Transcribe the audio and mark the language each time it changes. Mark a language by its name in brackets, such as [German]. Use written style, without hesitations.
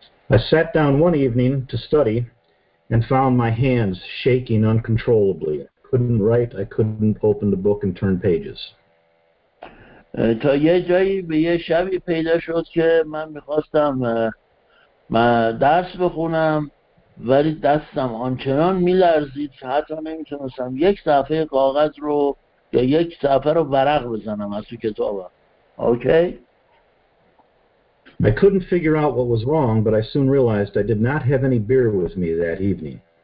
[English] I sat down one evening to study and found my hands shaking uncontrollably. I couldn't write, I couldn't open the book and turn pages. [Persian] تا یه جایی به یه شبی پیدا شد که من میخواستم درس بخونم ولی دستم آنچنان میلرزید که حتی نمیتونستم یک صفحه کاغذ رو یا یک صفحه رو ورق بزنم از تو کتابم. [English] Okay? I couldn't figure out what was wrong, but I soon realized I did not have any beer with me that evening.